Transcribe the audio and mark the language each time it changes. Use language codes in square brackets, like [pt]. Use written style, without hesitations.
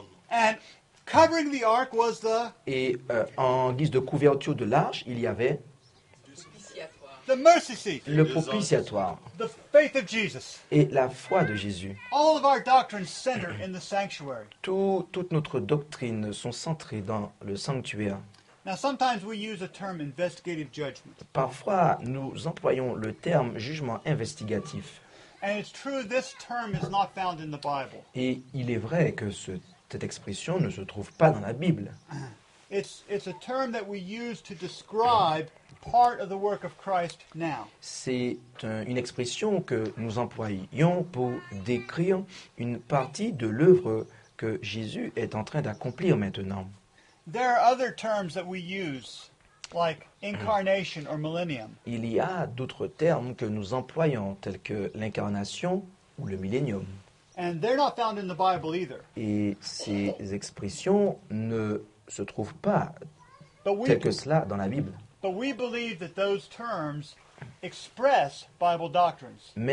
[en] And covering the ark was the... [fr] Et en guise de couverture de l'arche, il y avait... [en] The mercy seat. [fr] Le propitiatoire. [en] The faith of Jesus. [fr] Et la foi de Jésus. [en] All of our doctrines center in the sanctuary. [fr] Toute notre doctrine sont centrées dans le sanctuaire. [en] Now sometimes we use a term investigative judgment. [fr] Parfois, nous employons le terme jugement investigatif. [en] And it's true this term is not found in the Bible. [fr] Et il est vrai que cette expression ne se trouve pas dans la Bible. [en] It's a term that we use to describe part of the work of Christ now. [fr] C'est une expression que nous employons pour décrire une partie de l'œuvre que Jésus est en train d'accomplir maintenant. [en] There are other terms that we use, like incarnation or millennium. [fr] Il y a d'autres termes que nous employons, tels que l'incarnation ou le millénium. [en] And they're not found in the Bible either. [fr] Et ces expressions ne se trouvent pas telles que cela dans la Bible. [en] But we believe that those terms express Bible doctrines.